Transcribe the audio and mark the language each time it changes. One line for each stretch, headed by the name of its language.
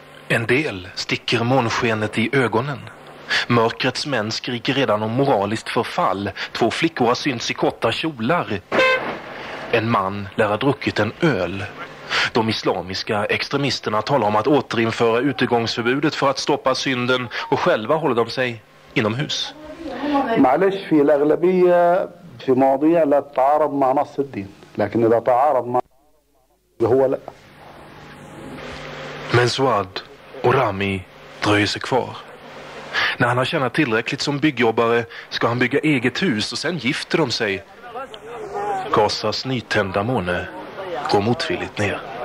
Swedish: En del sticker månskenet i ögonen. Mörkrets män skriker redan om moraliskt förfall. Två flickor har synts i korta kjolar. En man lär ha druckit en öl. De islamiska extremisterna talar om att återinföra utegångsförbudet för att stoppa synden, och själva håller de sig inomhus.
Arabic: معلش في الاغلبيه في مواضيع لا تتعارض مع نص الدين لكن اذا تعارض مع هو لا.
Swedish: Men Suad och Rami dröjer sig kvar. När han har tjänat tillräckligt som byggjobbare ska han bygga eget hus och sen gifter de sig. Gazas nytända måne går motvilligt ner.